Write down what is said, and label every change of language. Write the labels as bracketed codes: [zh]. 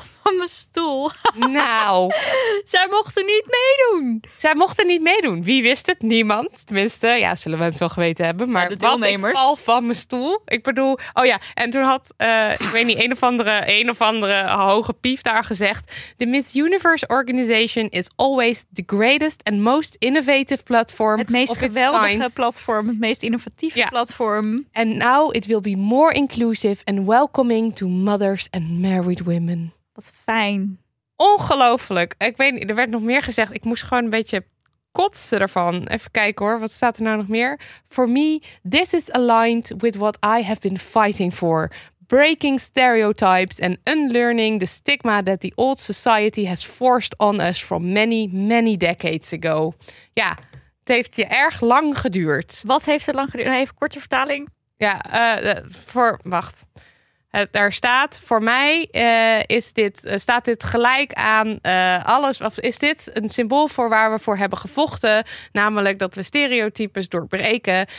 [nl] Van mijn stoel. Nou. Zij mochten niet meedoen. Zij mochten niet meedoen. Wie wist het? Niemand. Tenminste, ja, zullen we het zo geweten hebben. Maar de deelnemers. Wat ik val van mijn stoel. Ik bedoel, en toen had, ik weet niet, een of andere hoge pief daar gezegd. [en] The Miss Universe Organization is always the greatest and most innovative platform. [nl] Het meest geweldige platform, het meest innovatieve platform. [en] And now it will be more inclusive and welcoming to mothers and married women. [nl] Wat fijn. Ongelooflijk. Ik weet niet, er werd nog meer gezegd. Ik moest gewoon een beetje kotsen ervan. Even kijken hoor, wat staat er nou nog meer? [en] For me, this is aligned with what I have been fighting for. Breaking stereotypes and unlearning the stigma that the old society has forced on us from many, many decades ago. [nl] Ja, het heeft je erg lang geduurd. Wat heeft het lang geduurd? Even korte vertaling. Ja, wacht. Daar staat, voor mij staat dit gelijk aan alles. Of is dit een symbool voor waar we voor hebben gevochten? Namelijk dat we stereotypes doorbreken.